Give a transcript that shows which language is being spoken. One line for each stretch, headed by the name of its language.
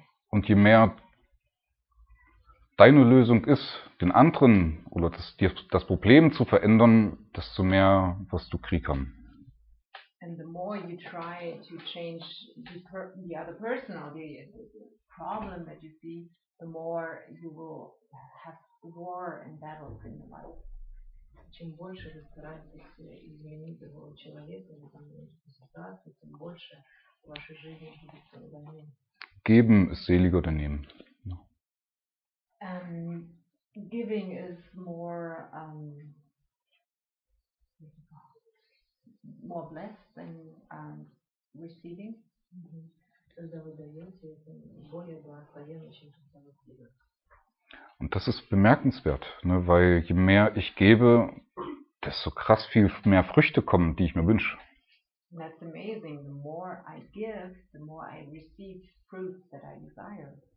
German: Und je mehr deine Lösung ist, den anderen oder das Problem zu verändern, desto mehr wirst du Krieg haben.
English: And the more you try to change the other person or the problem that you see, the more you will have war and battles in the life.
Russian: Чем больше вы стараетесь изменить другого человека или там ситуацию, тем больше в вашей жизни будет страданий.
German: Geben ist seliger denn nehmen.
English: Giving is more more blessed than receiving.
Russian: Когда вы даете, это более благословенно, чем когда вы даете.
German: Und das ist bemerkenswert, ne? Weil je mehr ich gebe, desto krass viel mehr Früchte kommen, die ich mir wünsche.
English: That's amazing. The more I give, the more I receive fruit that I desire.